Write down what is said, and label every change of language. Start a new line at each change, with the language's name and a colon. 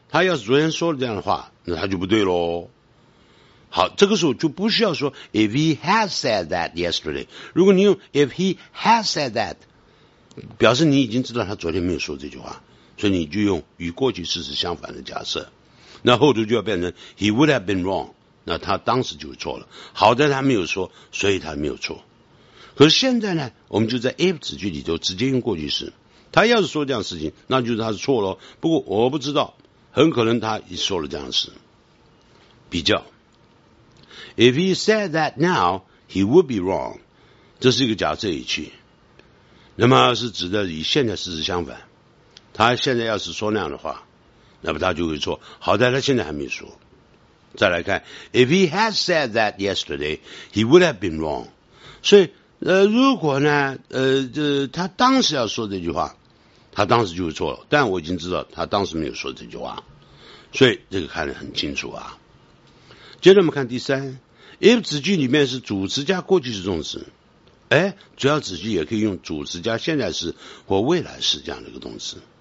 Chinese: 他要是昨天说了这样的话，那他就不对咯。好，这个时候就不需要说
English: if he has said that yesterday，
Chinese: 如果你用
English: if he has said that，
Chinese: 表示你已经知道他昨天没有说这句话，所以你就用与过去事实相反的假设，那后头就要变成
English: he would have been wrong，
Chinese: 那他当时就错了，好在他没有说，所以他没有错。可是现在呢，我们就在 if 子句里头直接用过去式，他要是说这样的事情那就是他是错咯，不过我不知道，很可能他已说了这样的事。比较
English: If he said that now, he would be wrong.
Chinese: 这是一个假设语气。那么是指的与现在事实相反。他现在要是说那样的话，那么他就会错。好在他现在还没说。再来看
English: ,If he had said that yesterday, he would have been wrong.
Chinese: 所以如果呢他当时要说这句话，他当时就会错了。但我已经知道他当时没有说这句话。所以这个看得很清楚啊。接着我们看第三 if 子句里面是主词加过去式动词，主要子句也可以用主词加现在式或未来式这样的一个动词。